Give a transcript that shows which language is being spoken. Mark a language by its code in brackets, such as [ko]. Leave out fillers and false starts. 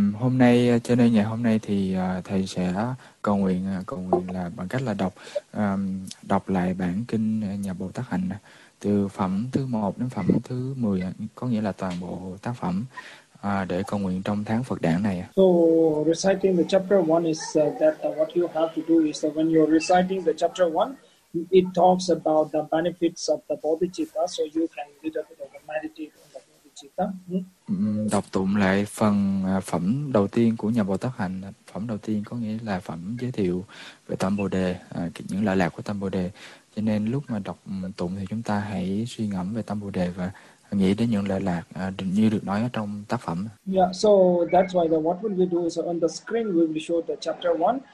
[vi] Hôm nay cho nên ngày hôm nay thì thầy sẽ cầu nguyện là bằng cách là đọc đọc lại bản kinh nhà Bồ Tát Hạnh từ phẩm thứ 1 đến phẩm thứ 10, có nghĩa là toàn bộ tác phẩm để cầu nguyện trong tháng Phật Đản này. [en] So reciting the chapter one is that what you have to do is that when you're reciting the chapter one, it talks about the benefits of the bodhicitta, so you can little bit of meditate on the bodhicitta. [vi] Đọc tụng lại phần phẩm đầu tiên của nhà Bồ Tát Hạnh. Phẩm đầu tiên có nghĩa là phẩm giới thiệu về tâm Bồ Đề, những lợi lạc của tâm Bồ Đề. Cho nên lúc mà đọc tụng thì chúng ta hãy suy ngẫm về tâm Bồ Đề và nghĩ đến những lợi lạc như được nói ở trong tác phẩm. [en] Yeah, so that's why the what will we do is on the screen we will show the chapter one.